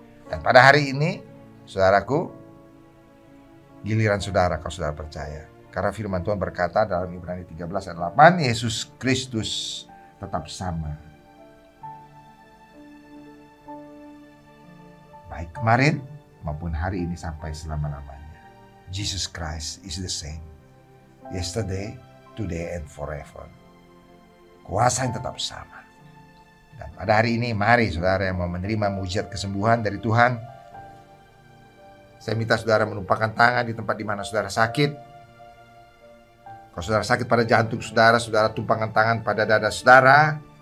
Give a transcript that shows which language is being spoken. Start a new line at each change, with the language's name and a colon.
Indonesian: Dan pada hari ini, saudaraku, giliran saudara kalau saudara percaya. Karena firman Tuhan berkata dalam Ibrani 13 ayat 8, Yesus Kristus tetap sama. Baik kemarin maupun hari ini sampai selama-lamanya.
English: Jesus Christ is the same. Yesterday, today and forever.
Indonesian: Kuasa yang tetap sama. Dan pada hari ini, mari saudara yang mau menerima mujizat kesembuhan dari Tuhan. Saya minta saudara menumpangkan tangan di tempat di mana saudara sakit. Kalau saudara sakit pada jantung saudara, saudara tumpangkan tangan pada dada saudara.